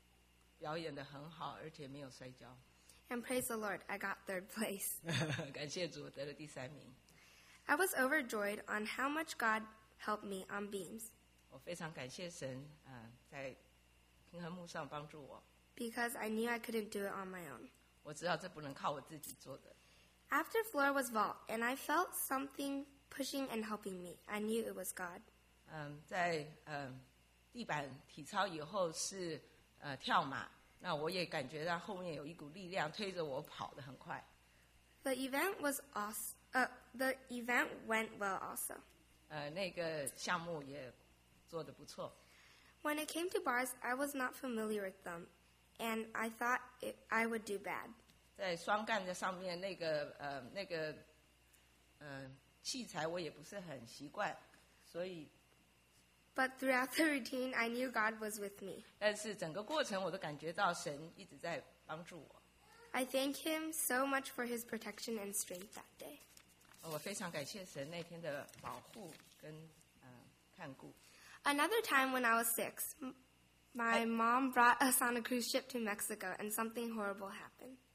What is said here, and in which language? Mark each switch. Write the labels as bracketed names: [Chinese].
[Chinese] 在真正比赛的时候，我就表演得很好，而且没有摔跤。 [English] And praise the Lord, I got 3rd place. [Chinese] 感谢主，我得了第三名。 [English] I was overjoyed on how much God helped me on beams. [Chinese] 我非常感谢神，在平衡木上帮助我。 [English] Because I knew I couldn't do it on my own. [Chinese] 我知道这不能靠我自己做的。 [English] After floor was vault, and I felt something pushing and helping me. I knew it was God. [Chinese] 在地板体操以后是跳马。那我也感觉到后面有一股力量推着我跑得很快。 [English] The event went well also. [Chinese] 那个项目也做得不错。 [English] When it came to bars, I was not familiar with them, and I thought I would do bad. [Chinese] 在双杠的上面那个器材我也不是很习惯，所以 [English] But throughout the routine, I knew God was with me. [Chinese] 但是整个过程，我都感觉到神一直在帮助我。 [English] I thank Him so much for His protection and strength that day. [Chinese] 我非常感谢神那天的保护跟看顾。 [English] Another time when I was six, my mom brought us on a cruise ship to Mexico, and something horrible happened.